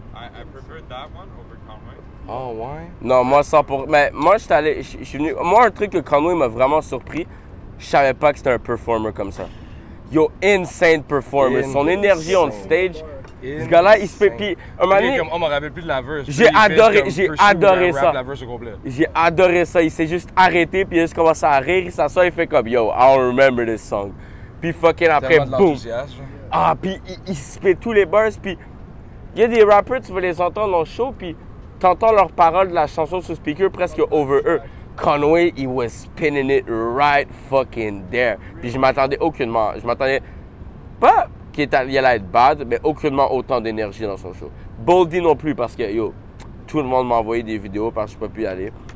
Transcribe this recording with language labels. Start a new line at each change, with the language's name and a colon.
English: I preferred that one over Conway.
French: Oh, ouais? Non, moi, sans pour... Mais moi, j'étais allé... Je suis venu... Moi, un truc que Conway m'a vraiment surpris, je savais pas que c'était un performer comme ça. Yo, insane performer. Insane. Son énergie on stage. Insane. Ce gars-là, il se fait... Puis, un moment donné... On m'en rappelle plus de la verse. J'ai adoré ça. La verse au complet. J'ai adoré ça. Il s'est juste arrêté, puis il a juste commencé à rire. Il s'assoit, il fait comme, yo,
English: I don't remember this song.
French: Puis, fucking, après, boum. Ah, puis, il se fait tous les bars, puis... Il y a des rappers, tu veux les entendre en show, puis... T'entends leurs paroles de la chanson sur speaker presque over eux.
English: Conway, he was spinning it right fucking there.
French: Puis je m'attendais aucunement. Je m'attendais pas qu'il allait être bad, mais aucunement autant d'énergie dans son show. Boldy non plus, parce que yo, tout le monde m'a envoyé des vidéos parce que je n'ai pas pu y aller.